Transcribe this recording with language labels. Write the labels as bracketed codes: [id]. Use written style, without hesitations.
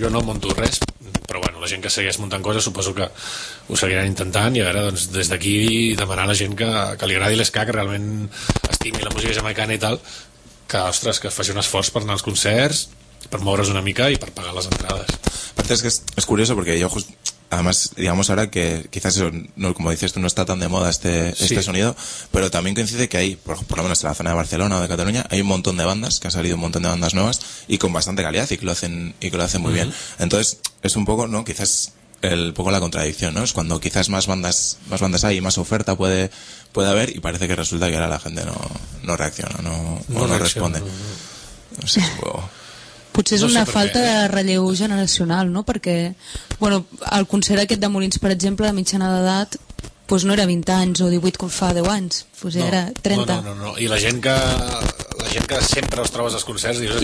[ca] Jo no monto res, però bueno, la gent que segueix muntant coses suposo que ho seguiran intentant, i a veure, doncs, des d'aquí demanar a la gent que li agradi l'esca, que realment estimi la música jamaicana i tal, que, ostres, que faci un esforç per anar als concerts, per moure's una mica i per pagar les entrades. És que és [es] curioso, [ca] perquè jo just... [es] Además, digamos ahora que quizás eso, no, como dices tú, no está tan de moda este sonido, pero también coincide que hay, por lo menos en la zona de Barcelona o de Cataluña, hay un montón de bandas, que ha salido un montón de bandas nuevas y con bastante calidad y que lo hacen muy bien. Entonces, es un poco, ¿no? Quizás el poco la contradicción, ¿no? Es cuando quizás más bandas hay y más oferta puede haber, y parece que resulta que ahora la gente no reacciona, no responde. No sé, es un poco... [ca] Potser és una falta de relleu generacional, no? Perquè, bueno, el concert aquest de Molins, per exemple, de mitjana d'edat, pues no era 20 anys o 18 com fa 10 anys, pues no, era 30. No. I la gent que sempre els trobes als concerts, dius,